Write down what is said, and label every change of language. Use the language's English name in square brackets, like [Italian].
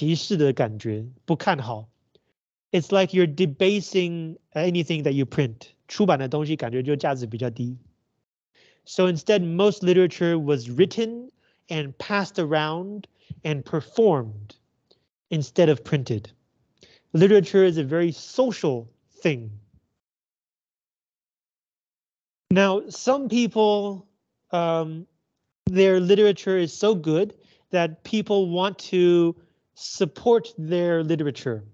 [Chinese] 对出版有歧视的感觉，不看好。 [English] It's like you're debasing anything that you print. [Chinese] 出版的东西感觉就价值比较低。 [English] So instead, most literature was written and passed around and performed instead of printed. Literature is a very social thing. Now, some people, their literature is so good that people want to support their literature.